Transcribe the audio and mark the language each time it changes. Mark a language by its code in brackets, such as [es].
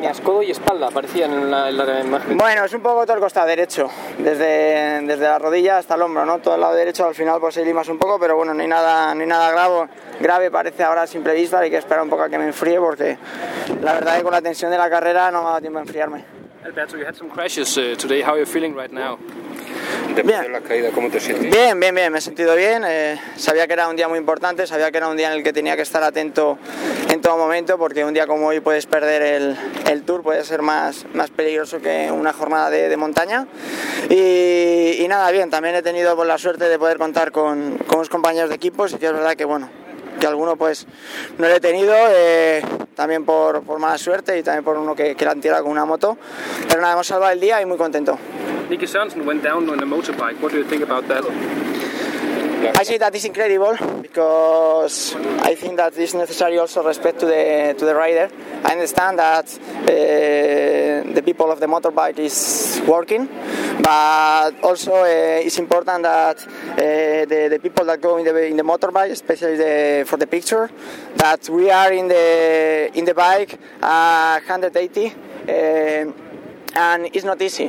[es] ¿Tenías codo y espalda? Parecía en la imagen. Bueno, es un poco todo el costado derecho, desde la rodilla hasta el hombro, ¿no? Todo el lado derecho al final pues se limas un poco, pero bueno, no hay nada grave, parece ahora sin prevista, hay que esperar un poco a que me enfríe porque la verdad es que con la tensión de la carrera no me ha dado tiempo a enfriarme. [en] Alberto, you had some crashes today, how are you feeling right now? [es] Después de la caída, ¿cómo te sientes? Bien, me he sentido bien, sabía que era un día muy importante, sabía que era un día en el que tenía que estar atento en todo momento, porque un día como hoy puedes perder el Tour, puede ser más peligroso que una jornada de montaña, y nada, bien, también he tenido pues, la suerte de poder contar con unos compañeros de equipo, y es verdad que bueno, que alguno pues no lo he tenido, también por mala suerte y también por uno que la han tirado con una moto, pero nada, hemos salvado el día y muy contento. [en] Nicky Sørensen went down on a motorbike. What do you think about that? I see that is incredible because I think that is necessary also respect to the rider. I understand that the people of the motorbike is working, but also it's important that the people that go in the motorbike, especially for the picture, that we are in the bike 180. And it's not easy.